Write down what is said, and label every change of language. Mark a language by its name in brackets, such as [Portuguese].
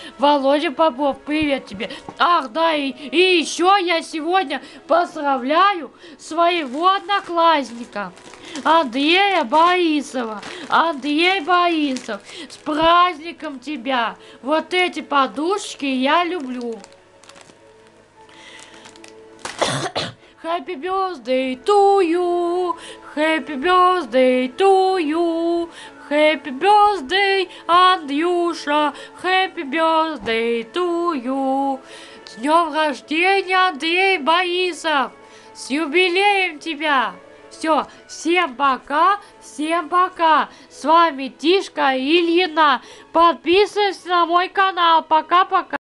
[Russian] Володя Попов, привет тебе. Ах, да, и еще я сегодня поздравляю своего одноклассника Андрея Борисова. Андрей Борисов, с праздником тебя. Вот эти подушечки я люблю. [English] Happy birthday to you, happy birthday to you, happy birthday, Андрюша, happy birthday to you. [Russian] С днем рождения, Андрей Борисов, с юбилеем тебя, Все, всем пока, всем пока. С вами Тишка Ильина. Подписывайся на мой канал. Пока-пока.